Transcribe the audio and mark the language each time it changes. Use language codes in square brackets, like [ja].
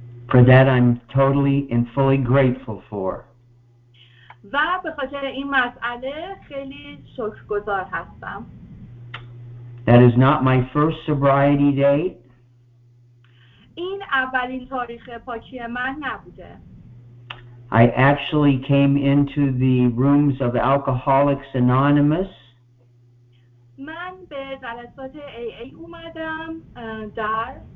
[en] For that I'm totally and fully grateful for. [fa] و به خاطر این مسئله خیلی شکرگزار هستم. [en] That is not my first sobriety date. [fa] این اولین تاریخ پاکی من نبوده. [en] I actually came into the rooms of Alcoholics Anonymous. [fa] من به جلسات AA اومدم در